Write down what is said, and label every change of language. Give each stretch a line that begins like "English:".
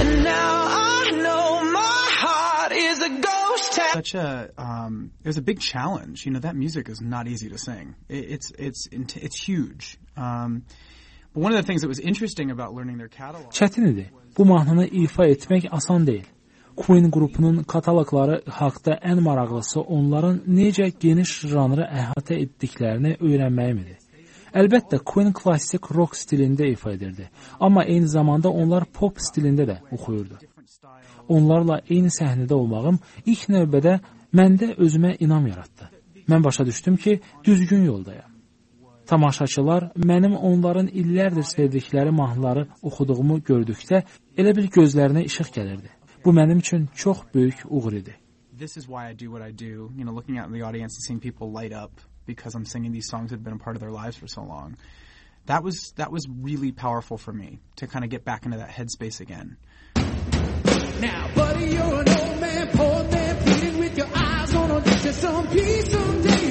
English: And now I know my heart is a ghost town. Such a it was a big challenge. You know, that music is not easy to sing. It's huge. One of the things that was interesting about learning their catalog.
Azerbaijani: Çətin idi. Bu mahnını ifa etmək asan deyil. Queen qrupunun kataloqları haqqında ən maraqlısı onların necə geniş janrı əhatə etdiklərini öyrənməyim idi. Əlbəttə Queen klassik rock stilində ifa edirdi, amma eyni zamanda onlar pop stilində də oxuyurdu. Onlarla eyni səhnədə olmağım ilk növbədə məndə özümə inam yaratdı. Mən başa düşdüm ki, düzgün yoldayam. Tamaşaçılar mənim onların illərdir sevdikləri mahnıları oxuduğumu gördükdə elə bil gözlərinə işıq gəlirdi. Bu mənim üçün çox böyük uğur idi.
English: This is why I do what I do, you know, looking out in the audience and seeing people light up because I'm singing these songs that have been a part of their lives for so long. That was really powerful for me to kind of get back into that headspace again. Now, buddy, you're an old man, poor man, pleading with your eyes on a get you some peace someday.